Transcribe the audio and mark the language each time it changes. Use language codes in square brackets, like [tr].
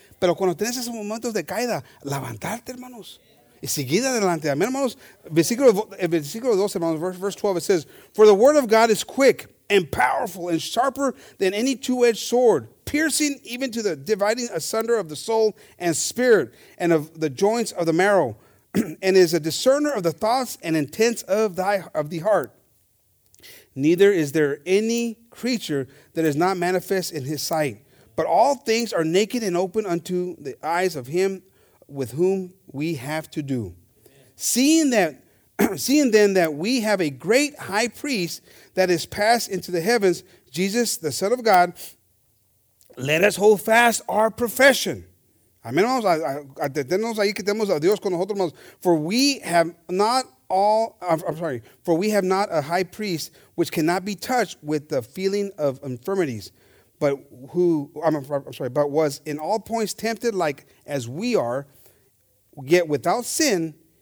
[es] Pero cuando tienes esos momentos de caída, levantarte, hermanos. Y seguir adelante. Amen, hermanos. Versículo 12, hermanos. [en] Verse 12, it says, for the word of God is quick and powerful and sharper than any two-edged sword, piercing even to the dividing asunder of the soul and spirit and of the joints of the marrow, and is a discerner of the thoughts and intents of the heart. Neither is there any creature that is not manifest in his sight. But all things are naked and open unto the eyes of him with whom we have to do. Amen. Seeing then that we have a great high priest that is passed into the heavens, Jesus, the Son of God, let us hold fast our profession. [es] Amén, hermanos, atendernos ahí que tenemos a Dios con nosotros, hermanos. [en] For we have not a high priest which cannot be touched with the feeling of infirmities, but was in all points tempted like as we are, yet without sin.